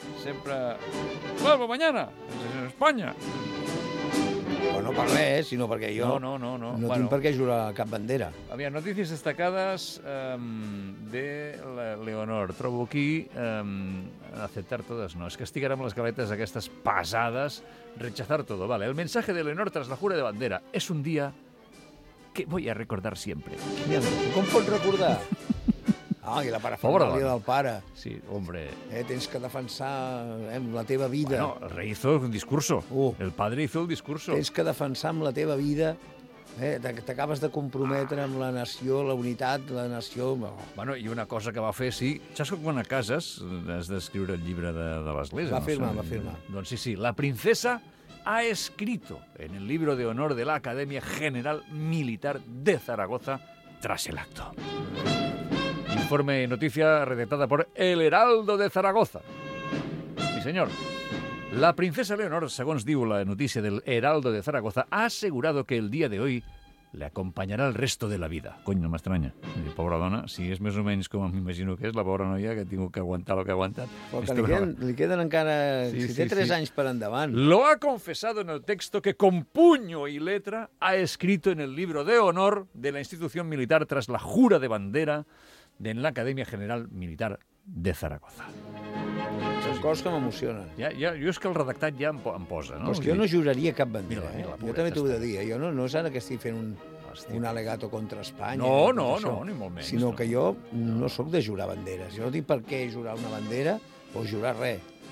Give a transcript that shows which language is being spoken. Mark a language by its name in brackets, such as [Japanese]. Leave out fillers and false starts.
[Catalan] Sempre... [Spanish] Vuelvo mañana! [Catalan] Espanya! No per res, sinó perquè jo no tinc per què jurar cap bandera. Aviam, notícies destacades de Leonor. Trobo aquí aceptar totes, no. És que estic ara amb les galetes aquestes pesades. [Spanish] Rechazar todo, vale. El mensaje de Leonor tras la jura de bandera es un día que voy a recordar siempre. [Catalan] Com pots recordar? Ah, i la parafernalia del pare. [Spanish] Sí, hombre. [Catalan] Tens que defensar la teva vida. [Spanish] Bueno, el rei hizo un discurso. El padre hizo el discurso. [Catalan] Tens que defensar amb la teva vida. T'acabes de comprometre amb la nació, la unitat, la nació... Bueno, i una cosa que va fer, sí... Saps que quan a cases has d'escriure el llibre de l'Església? Va firmar. Doncs sí. [Spanish] La princesa ha escrito en el libro de honor de la Academia General Militar de Zaragoza tras el acto. Informe y noticia redactada por El Heraldo de Zaragoza. Sí, señor. La princesa Leonor, según diu la noticia del Heraldo de Zaragoza, ha asegurado que el día de hoy le acompañará el resto de la vida. Coño, me extraña. [Catalan] Pobre dona, si és més o menys com em imagino que és, la pobra noia, que ha tingut que aguantar el que ha aguantat. Li queden encara... Té tres anys per endavant. [Spanish] Lo ha confesado en el texto que con puño y letra ha escrito en el libro de honor de la institución militar tras la jura de bandera en la Academia General Militar de Zaragoza. [Catalan] Sí, sí. coses que m'emocionen. Ja, ja, jo és que el redactat ja em posa, no? Però és que jo no juraria cap bandera, mira, mira, eh? Jo també t'ho he de dir. Jo no és ara que estic fent un alegato contra Espanya. No, ni molt menys. Sinó que jo no sóc de jurar banderes. Jo no tinc per què jurar una bandera o jurar res.